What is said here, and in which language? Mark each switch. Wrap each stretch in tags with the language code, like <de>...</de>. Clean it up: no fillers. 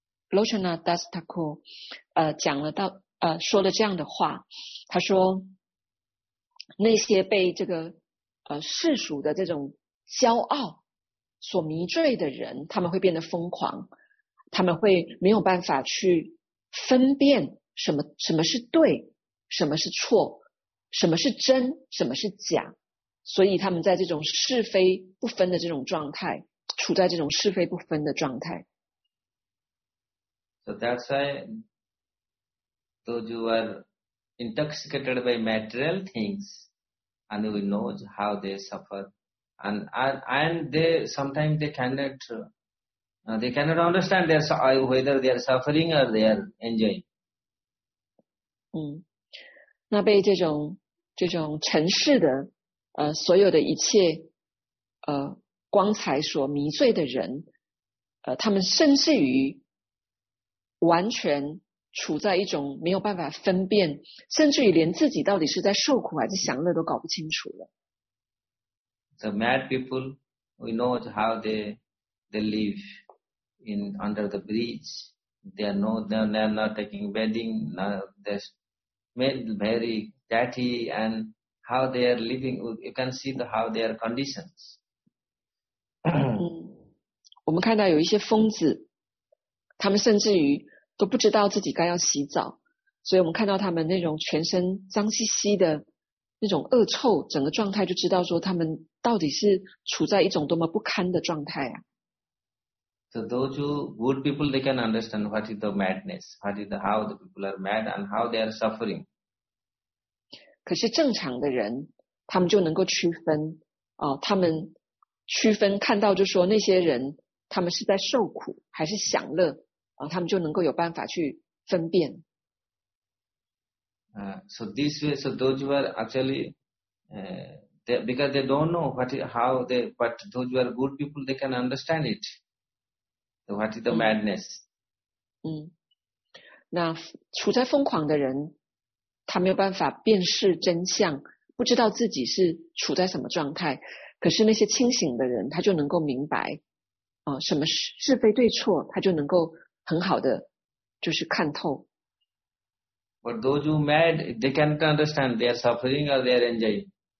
<zh>Lochana Das Thakur, 讲了到，说了这样的话，他说，那些被这个，世俗的这种骄傲所迷醉的人，他们会变得疯狂，他们会没有办法去分辨什么是对，什么是错，什么是真，什么是假，所以他们在这种是非不分的这种状态，处在这种是非不分的状态。</zh> <en>So that's why those who are intoxicated by material things, and we know how they suffer, and they sometimes they cannot understand whether they are suffering or they are enjoying.</en> <zh>那被这种尘世的所有的一切光彩所迷醉的人，他们甚至于完全处在一种没有办法分辨，甚至于连自己到底是在受苦还是享乐都搞不清楚了。</zh> <en>The mad people, we know how they live in under the bridge. They are not taking bedding. Very dirty, and how they are living, you can see how their conditions.</en> <zh>我们看到有一些疯子，他们甚至于都不知道自己该要洗澡，所以我们看到他们那种全身脏兮兮的那种恶臭，整个状态就知道说他们到底是处在一种多么不堪的状态啊。</zh> <en>So those who good people, they can understand what is the madness, what is the how the people are mad and how they are suffering.</en> <zh>可是正常的人，他们就能够区分，他们区分看到就说那些人，他们是在受苦还是享乐，他们就能够有办法去分辨。</zh> <en>So this way, so those who are actually, because they don't know but those who are good people, they can understand it. What is the madness?</en> <zh>那处在疯狂的人，他没有办法辨识真相，不知道自己是处在什么状态。可是那些清醒的人，他就能够明白，什么是非对错，他就能够很好的就是看透。</zh> <en>But those who are mad, they can't understand they are suffering or they are enjoying.</en>